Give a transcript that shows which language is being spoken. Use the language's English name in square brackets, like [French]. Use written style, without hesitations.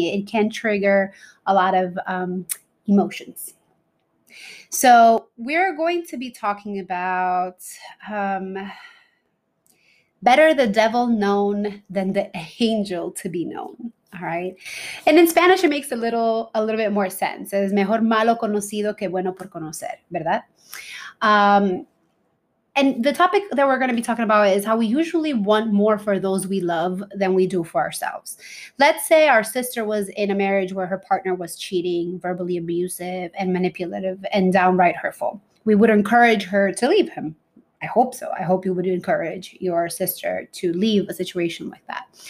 [English] It can trigger a lot of emotions. So we're going to be talking about better the devil known than the angel to be known. All right. And in Spanish, it makes a little bit more sense. [Spanish] Es mejor malo conocido que bueno por conocer, ¿verdad? [English] And the topic that we're going to be talking about is how we usually want more for those we love than we do for ourselves. Let's say our sister was in a marriage where her partner was cheating, verbally abusive, and manipulative, and downright hurtful. We would encourage her to leave him. I hope so. I hope you would encourage your sister to leave a situation like that.